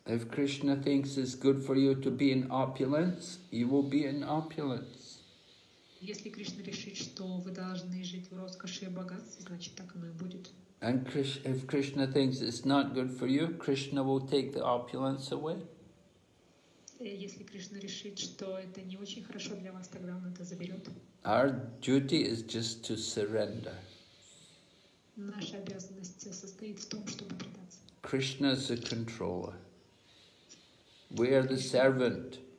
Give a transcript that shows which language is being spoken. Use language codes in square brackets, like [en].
[en] If Krishna thinks it's good for you to be in opulence, you will be in opulence. [ru] Если Кришна решит, что вы должны жить в роскоши и богатстве, значит, так оно и будет. [en] And if Krishna thinks it's not good for you, Krishna will take the opulence away. [ru] Если Кришна решит, что это не очень хорошо для вас, тогда он это заберет. [en] Our duty is just to surrender. [ru] Наша обязанность состоит в том, чтобы предаться. [en] Krishna is the controller. We are the servant.